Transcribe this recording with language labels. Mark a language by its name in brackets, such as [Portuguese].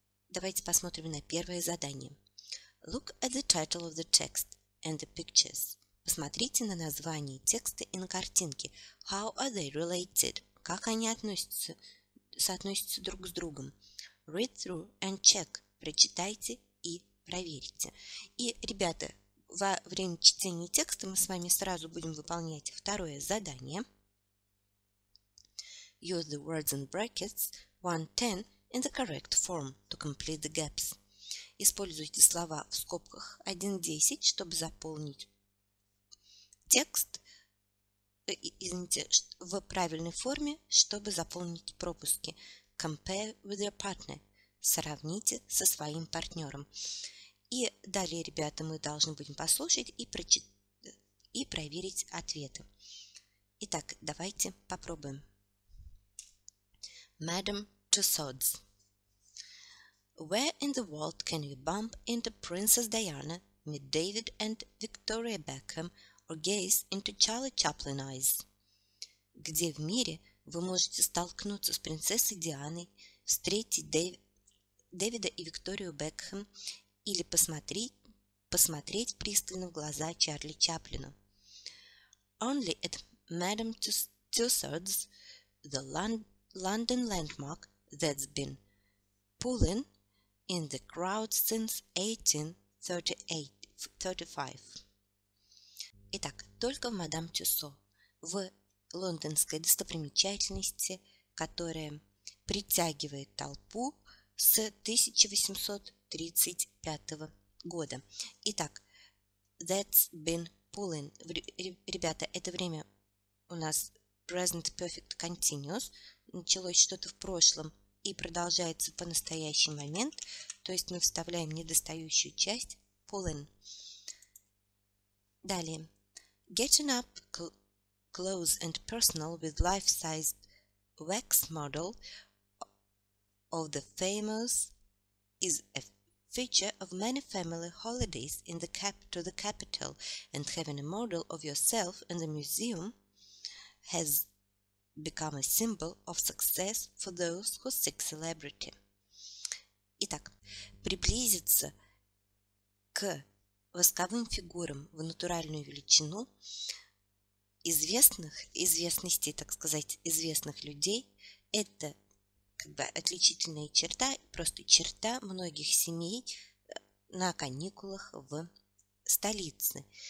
[Russian] Давайте посмотрим на первое задание. [English] Look at the title of the text and the pictures. [Russian] Посмотрите на название текста и на картинки. [English] How are they related? [Russian] Как они относятся? Соотносятся друг с другом. [English] Read through and check. [Russian] Прочитайте и проверьте. И, ребята, во время чтения текста мы с вами сразу будем выполнять второе задание. [English] Use the words in brackets 1-10 in the correct form to complete the gaps. [Russian] Используйте слова в скобках 1-10, чтобы заполнить текст. Извините, в правильной форме, чтобы заполнить пропуски. [English] Compare with your partner. [Russian] Сравните со своим партнером. И далее, ребята, мы должны будем послушать и прочитать, и проверить ответы. Итак, давайте попробуем. [English] Madame Tussauds. Where in the world can you bump into Princess Diana, meet David and Victoria Beckham, or gaze into Charlie Chaplin eyes? [Russian] Где в мире вы можете столкнуться с принцессой Дианой, встретить Дэвида и Викторию Бекхэм или посмотреть пристально в глаза Чарли Чаплину? [English] Only at Madame Tussauds, the London landmark that's been pulling in the crowd since 1835. [Russian] Итак, только в мадам Тюссо, в лондонской достопримечательности, которая притягивает толпу с 1835 года. Итак, [English] that's been pulling. [Russian] Ребята, это время у нас present perfect continuous. Началось что-то в прошлом и продолжается по настоящий момент. То есть мы вставляем недостающую часть pulling. Далее. [English] Getting up close and personal with life-sized wax model of the famous is a feature of many family holidays in the capital, and having a model of yourself in the museum has become a symbol of success for those who seek celebrity. [Russian] Итак, приблизиться к восковым фигурам в натуральную величину известных людей. Это как бы отличительная черта, просто черта многих семей на каникулах в столице.